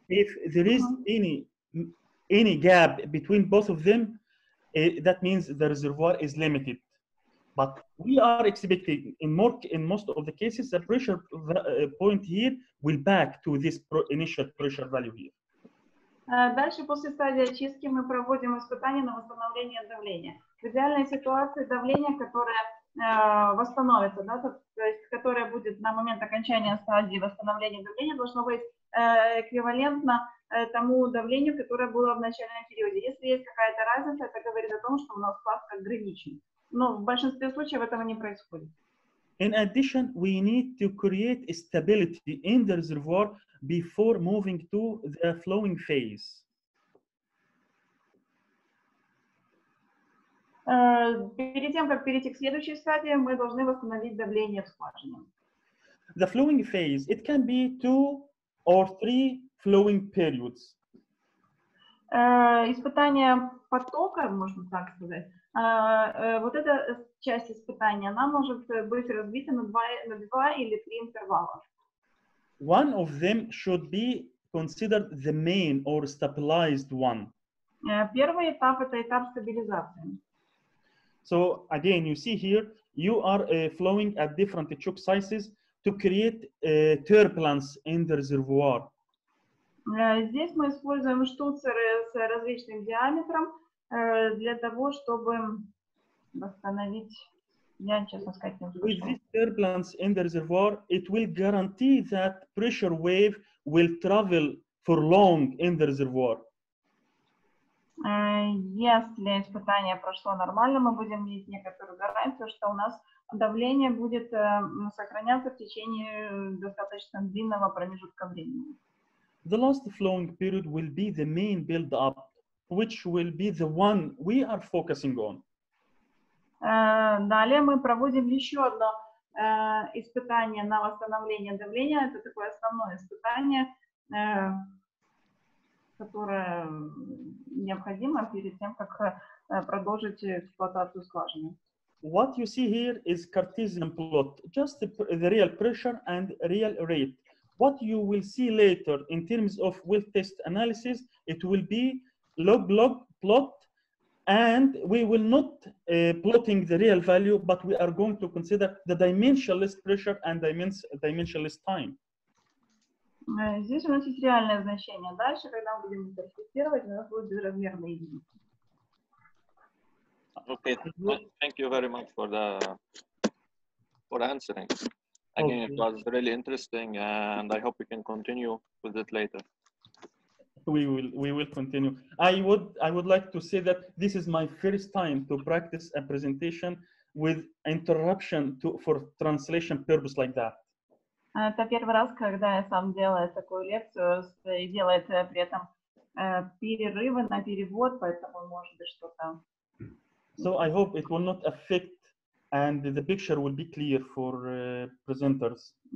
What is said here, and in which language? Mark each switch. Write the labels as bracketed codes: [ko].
[en] If there is any gap between both of them, that means the reservoir is limited. But we are expecting in most of the cases the pressure point here will back to this initial pressure value here. [ru] Дальше после стадии очистки мы проводим испытание на восстановление давления. В идеальной ситуации давление, которое восстановится, да, то есть которое будет на момент окончания стадии восстановления давления, должно быть эквивалентно тому давлению, которое было в начальном периоде. Если есть какая-то разница, это говорит о том, что у нас класс ограничен. Но в большинстве случаев этого не происходит. [en] In addition, we need to create stability in the reservoir before moving to the flowing phase. [ru] Перед тем, как перейти к следующей стадии, мы должны восстановить давление в скважине. [en] The flowing phase, it can be two or three flowing periods. [ru] Испытание потока, можно так сказать, вот эта часть испытания, она может быть разбита на два или три интервала. [en] One of them should be considered the main or stabilized one. [ru] Первый этап — это этап стабилизации. [en] So again, you see here, you are flowing at different choke sizes to create turbulence in the reservoir. [ru] Здесь мы используем штуцеры с различным диаметром для того, чтобы восстановить, я честно сказать, не услышал. [en] With these turbulence in the reservoir, it will guarantee that pressure wave will travel for long in the reservoir. [ru] Если испытание прошло нормально, мы будем иметь некоторую гарантию, что у нас давление будет сохраняться в течение достаточно длинного промежутка времени. [en] The last flowing period will be the main build-up, which will be the one we are focusing on. [ru] Далее мы проводим еще одно испытание на восстановление давления. Это такое основное испытание, которое необходимо перед тем, как продолжить эксплуатацию скважины. [en] What you see here is Cartesian plot, just the real pressure and real rate. What you will see later in terms of well test analysis, it will be log-log plot, and we will not plotting the real value, but we are going to consider the dimensionless pressure and dimensionless time. [ru] Здесь у нас есть реальное значение. Дальше, когда мы будем интерпретировать, у нас будут безразмерные единицы. [en] Okay, thank you very much for answering. Again, it was really interesting, and I hope we can continue with it later. We will continue. I would like to say that this is my first time to practice a presentation with interruption for translation purpose like that. [ru] Это первый раз, когда я сам делаю такую лекцию и делает при этом перерывы на перевод, поэтому может быть что-то. [en] So I hope it will not affect. And the picture will be clear for presenters.